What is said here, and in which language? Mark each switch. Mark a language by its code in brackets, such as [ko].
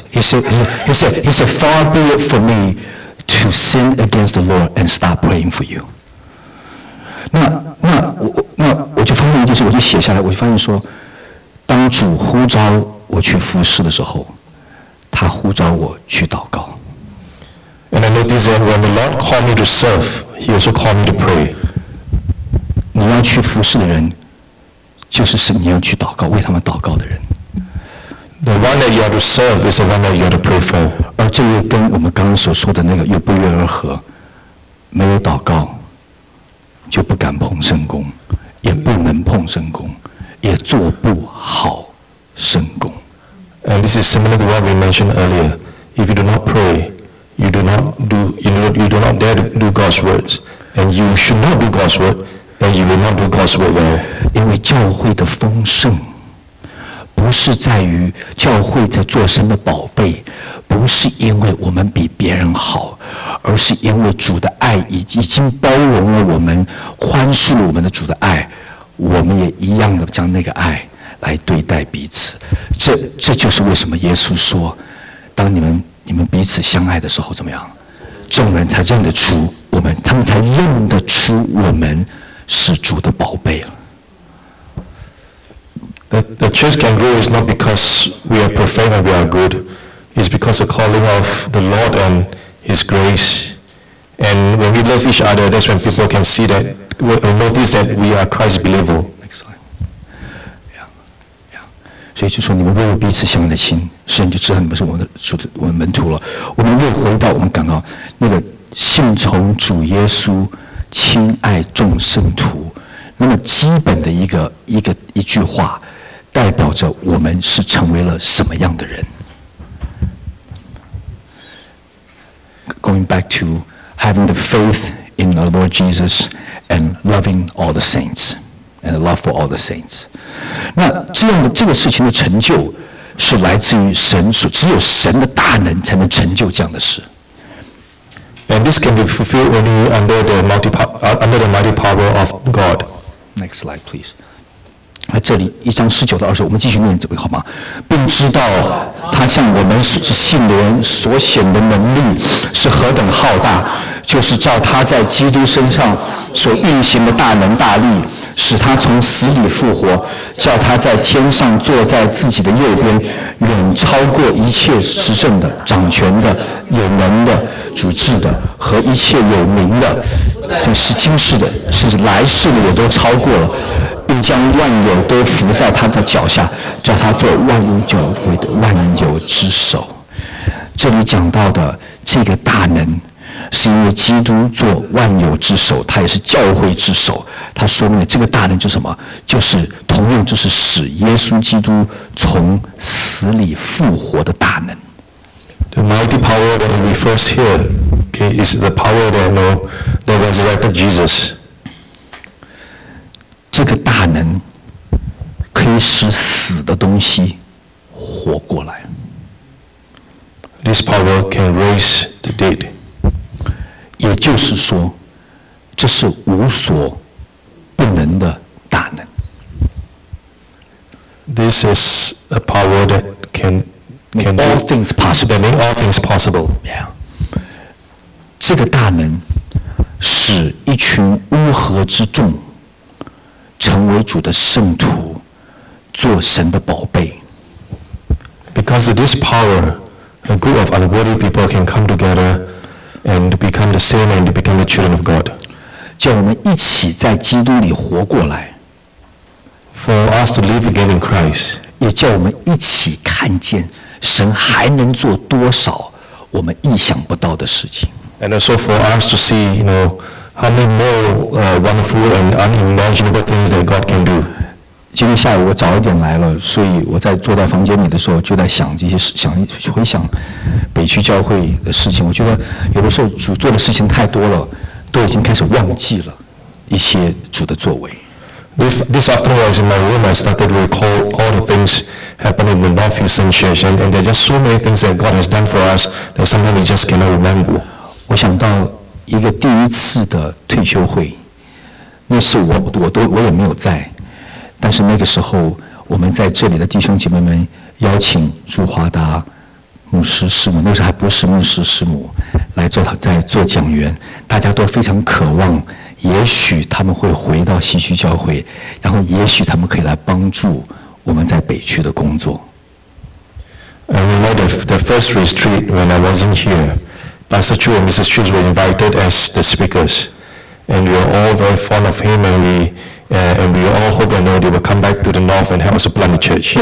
[en] He said, far be it for me to sin against the Lord and stop praying for you. [zh] 那我就发现一件事，我就写下来，我就发现说，当主呼召我去服事的时候。他呼召我去祷告。 [en] And I noticed that when the Lord called me to serve, He also called me to pray. [zh] 你要去服侍的人，就是你要去祷告，为他们祷告的人。 [en] The one that you are to serve is the one that you are to pray for. [zh] 而这也跟我们刚刚所说的那个又不约而合，没有祷告，就不敢碰圣工，也不能碰圣工，也做不好圣工。 [en] And this is similar to what we mentioned earlier. If you do not pray, you do not dare to do God's words, and you should not do God's word, and you will not do God's word well. [zh] 因为教会的丰盛，不是在于教会在做神的宝贝，不是因为我们比别人好，而是因为主的爱已经包容了我们，宽恕了我们的主的爱，我们也一样的将那个爱。来对待彼此，这就是为什么耶稣说，当你们彼此相爱的时候，怎么样？众人才认得出我们，他们才认得出我们是主的宝贝了。 [en] The church can grow is not because we are perfect and we are good, it's because the calling of the Lord and His grace. And when we love each other, that's when people can see that, will notice that we are Christ believer. [zh] 所以就说你们若有彼此相爱的心，神就知道你们是我们的主的我们门徒了。我们又回到我们刚刚那个信从主耶稣，亲爱众圣徒，那么基本的一句话，代表着我们是成为了什么样的人。 [en] Going back to having the faith in the Lord Jesus and loving all the saints. And love for all the saints. [zh] 那这样的这个事情的成就，是来自于神所只有神的大能才能成就这样的事。 [en] And this can be fulfilled only under the mighty power of God. Next slide, please. [zh] 那这里一章十九到二十，我们继续念这位好吗？并知道他向我们所信的人所显的能力是何等浩大，就是照他在基督身上所运行的大能大力。使他从死里复活，叫他在天上坐在自己的右边，远超过一切执政的、掌权的、有能的、主治的和一切有名的，就是今世的，甚至来世的也都超过了，并将万有都伏在他的脚下，叫他做万有教会的万有之首。这里讲到的这个大能，是因为基督做万有之首，他也是教会之首。他说明了这个大能就是什么，就是同样就是使耶稣基督从死里复活的大能。 [en] The mighty power that we first hear, okay, is the power that the resurrected Jesus. [zh] 这个大能可以使死的东西活过来。 [en] This power can raise the dead. [zh] 也就是说，这是无所不能的大能。 [en] This is a power that can make all things possible. Make all things possible. Yeah. [zh] 这个大能使一群乌合之众成为主的圣徒，做神的宝贝。 [en] Because of this power, a group of unworthy people can come together and become the same and become the children of God. [zh] 叫我们一起在基督里活过来。 [en] For us to live again in Christ. [zh] 也叫我们一起看见神还能做多少我们意想不到的事情。 [en] And also for us to see, you know, how many more wonderful and unimaginable things that God can do. [zh] 今天下午我早一点来了，所以我在坐在房间里的时候就在想这些事，想回想北区教会的事情。我觉得有的时候主做的事情太多了，都已经开始忘记了一些主的作为。 [en] This afternoon I was in my room, I started to recall all the things happening in the Northfield Saint Church, and there are just so many things that God has done for us that sometimes we just cannot remember. [zh] 我想到一个第一次的退休会，那是我也没有在，但是那个时候我们在这里的弟兄姐妹们邀请朱华达牧师师母，那时候还不是牧师师母，来做他在做讲员，大家都非常渴望，也许他们会回到西区教会，然后也许他们可以来帮助我们在北区的工作。 [en] I remember the first retreat when I wasn't here. Pastor Chu and Mrs. Chu were invited as the speakers, and we are all very fond of him, and we all hope and know they will come back to the north and help us plant the church.